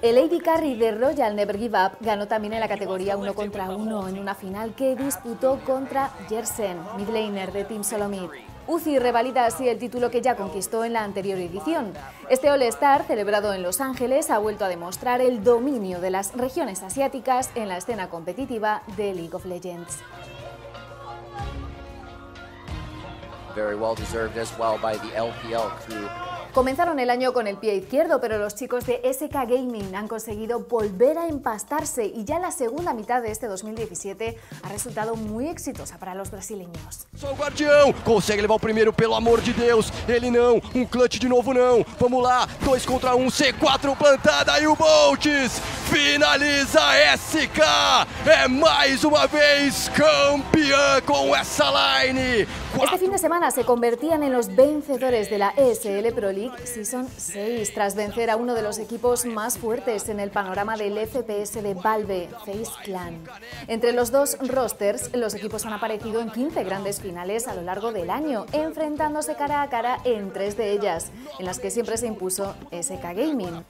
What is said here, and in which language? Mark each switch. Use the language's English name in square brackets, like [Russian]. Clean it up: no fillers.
[Spanish] El AD Carry de Royal Never Give Up ganó también en la categoría 1 contra 1 en una final que disputó contra Yersen, midlaner de Team Solomid. Uzi revalida así el título que ya conquistó en la anterior edición. Este All-Star, celebrado en Los Ángeles, ha vuelto a demostrar el dominio de las regiones asiáticas en la escena competitiva de League of Legends. [English] Very well deserved as well by the LPL crew. [Spanish] Comenzaron el año con el pie izquierdo, pero los chicos de SK Gaming han conseguido volver a empastarse y ya la segunda mitad de este 2017 ha resultado muy exitosa para los brasileños. [Portuguese] Só o guardião consegue levar o primeiro, pelo amor de Deus. Ele não, clutch de novo não. Vamos lá, 2 contra 1, C4 plantada e o Boltz finaliza SK. É mais uma vez campeã com essa line. [Spanish] Este fin de semana se convertían en los vencedores de la ESL Pro League Season 6, tras vencer a uno de los equipos más fuertes en el panorama del FPS de Valve, FaZe Clan. Entre los dos rosters, los equipos han aparecido en 15 grandes finales a lo largo del año, enfrentándose cara a cara en 3 de ellas, en las que siempre se impuso SK Gaming.